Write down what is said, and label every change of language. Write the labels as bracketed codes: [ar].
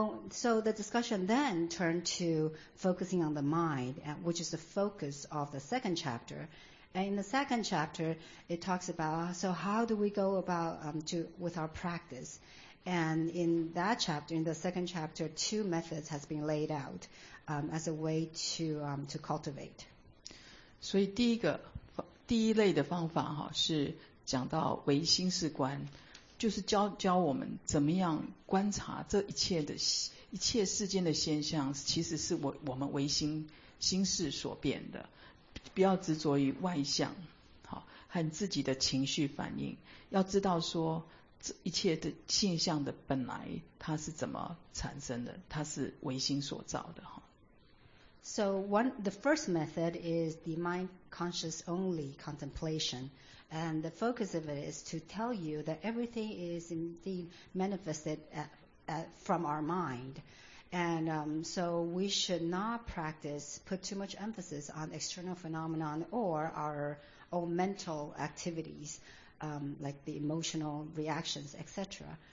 [en] So the discussion then turned to focusing on the mind, which is the focus of the second chapter. And in the second chapter, it talks about, so how do we go about with our practice? And in that chapter, in the second chapter, two methods has been laid out as a way to cultivate. [zh] 所以第一类的方法哈，是讲到唯心是观，就是教我们怎么样观察这一切世间的现象，其实是我们唯心事所变的。不要执着于外相，好，和自己的情绪反应，要知道说这一切的现象的本来它是怎么产生的，它是唯心所造的。 [en] So one, the first method is the mind conscious only contemplation, and the focus of it is to tell you that everything is indeed manifested from our mind. And so we should not practice, put too much emphasis on external phenomenon or our own mental activities, like the emotional reactions, etc.